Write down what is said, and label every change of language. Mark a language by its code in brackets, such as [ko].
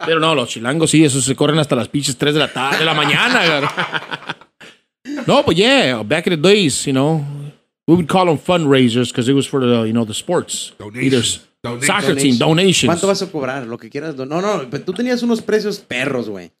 [es] Pero no, los chilangos, sí, esos se corren hasta las pinches 3 de la tarde, de la mañana. [en] No, but yeah, back in the days, you know, we would call them fundraisers because it was for, the, you know, the sports. Donations. Soccer donations. Team, donations. [es] ¿Cuánto vas a cobrar? Lo que quieras. No, no, pero tú tenías unos precios perros, güey.